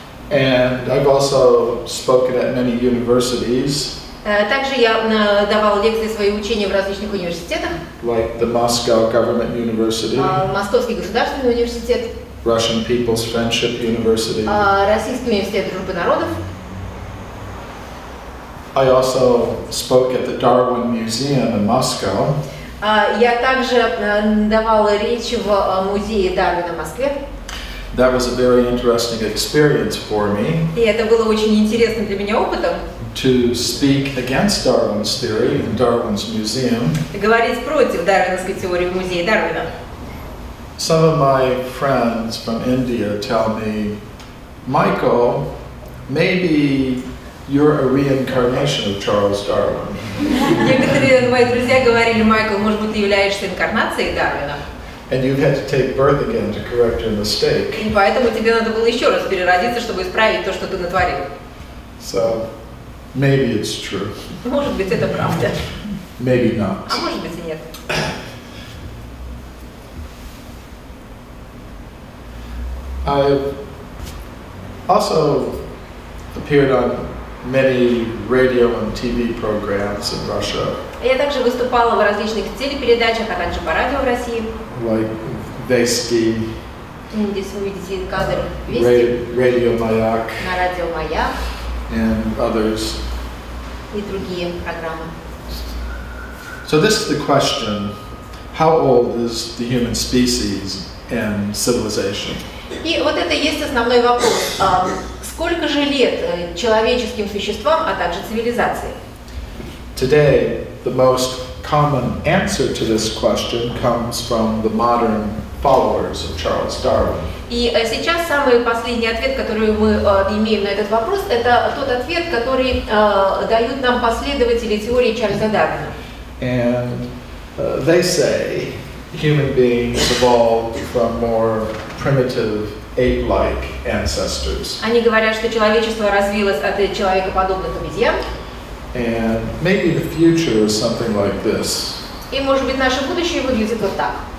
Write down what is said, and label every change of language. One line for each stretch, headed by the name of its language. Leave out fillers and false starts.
English: And I've also spoken at many universities.
Russian: Также я давал лекции свои учения в различных университетах.
English: Like the Moscow Government University.
Russian: Московский государственный университет.
English: Russian People's Friendship University.
Russian: Российский университет дружбы народов.
English: I also spoke at the Darwin Museum in Moscow.
Russian: Я также давала речь в музее Дарвина в Москве.
English: That was a very interesting experience for me.
Russian: И это было очень интересным для меня опытом.
English: To speak against Darwin's theory in Darwin's museum.
Russian: Говорить против дарвиновской теории в музее Дарвина.
English: Some of my friends from India tell me, Michael, maybe you're a reincarnation of Charles Darwin.
Russian: Некоторые мои друзья говорили, Майкл, может быть, ты являешься инкарнацией Дарвина?
English: And you had to take birth again to correct your mistake.
Russian: И поэтому тебе надо было еще раз переродиться, чтобы исправить то, что ты натворил.
English: So, maybe it's true.
Russian: Может быть, это правда.
English: Maybe not.
Russian: А может быть, и нет.
English: I've also appeared on many radio and TV programs in Russia.
Russian: Я также выступала в различных телепередачах, а также по радио в России.
English: Like Вести.
Russian: Здесь вы видите кадр Вести.
English: Radio Маяк.
Russian: На радио Маяк.
English: And others.
Russian: И другие программы.
English: So this is the question: how old is the human species and civilization?
Russian: И вот это есть основной вопрос. Сколько же лет человеческим существам, а также цивилизации?
English: Today, the most common answer to this question comes from the modern followers of Charles Darwin.
Russian: И сейчас самый последний ответ, который мы имеем на этот вопрос, это тот ответ, который дают нам последователи теории Чарльза Дарвина.
English: And they say human beings evolved from more primitive ape-like ancestors.
Russian: Они говорят, что человечество развилось от человекоподобных обезьян.
English: And maybe the future is something like this.
Russian: И может быть наше будущее выглядит вот так.